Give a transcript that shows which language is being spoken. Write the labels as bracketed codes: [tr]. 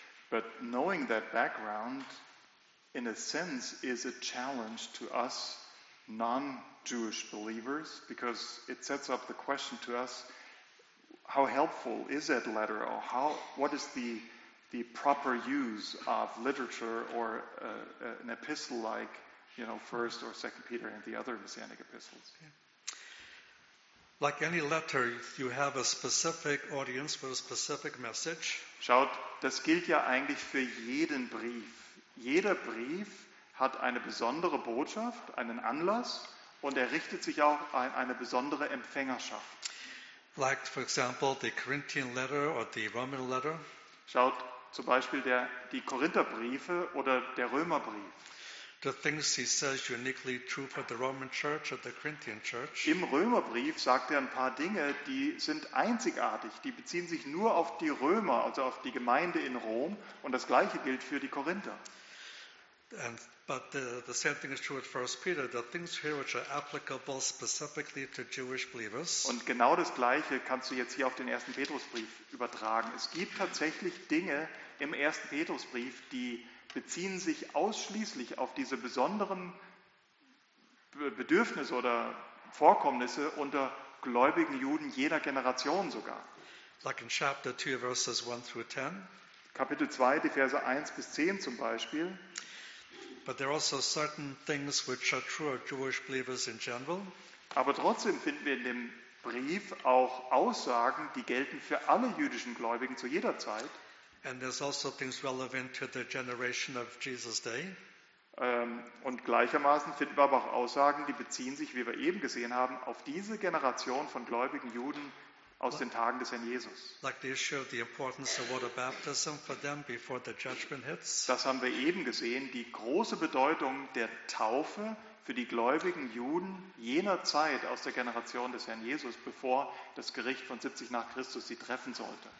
[en] But knowing that background, in a sense, is a challenge to us non-Jewish believers, because it sets up the question to us, how helpful is that letter, or what is the proper use of literature or an epistle like, you know, 1st or 2nd Peter and the other Messianic epistles? Like any letter, you have a specific audience with a specific message. [de] Schaut, das gilt ja eigentlich für jeden Brief. Jeder Brief hat eine besondere Botschaft, einen Anlass, und er richtet sich auch an eine besondere Empfängerschaft. [en] Like, for example, the Corinthian letter or the Roman letter. [de] Schaut, zum Beispiel die Korintherbriefe oder der Römerbrief. [en] The things he says uniquely true for the Roman Church or the Corinthian Church. [de] Im Römerbrief sagt ein paar Dinge, die sind einzigartig. Die beziehen sich nur auf die Römer, also auf die Gemeinde in Rom. Und das Gleiche gilt für die Korinther. [en] But the same thing is true with 1 Peter. The things here which are applicable specifically to Jewish believers. [de] Und genau das Gleiche kannst du jetzt hier auf den 1. Petrusbrief übertragen. Es gibt tatsächlich Dinge im 1. Petrusbrief, die beziehen sich ausschließlich auf diese besonderen Bedürfnisse oder Vorkommnisse unter gläubigen Juden jeder Generation sogar. [en] Like in chapter 2, verses 1 through 10. [de] Kapitel 2, die Verse 1 bis 10 zum Beispiel. [en] But there are also certain things which are true of Jewish believers in general. [de] Aber trotzdem finden wir in dem Brief auch Aussagen, die gelten für alle jüdischen Gläubigen zu jeder Zeit. [en] And there's also things relevant to the generation of Jesus' day. [de] Und gleichermaßen finden wir aber auch Aussagen, die beziehen sich, wie wir eben gesehen haben, auf diese Generation von gläubigen Juden aus den Tagen des Herrn Jesus. [en] Like the issue of the importance of water baptism for them before the judgment hits. [de] Das haben wir eben gesehen, die große Bedeutung der Taufe für die gläubigen Juden jener Zeit aus der Generation des Herrn Jesus, bevor das Gericht von 70 nach Christus sie treffen sollte.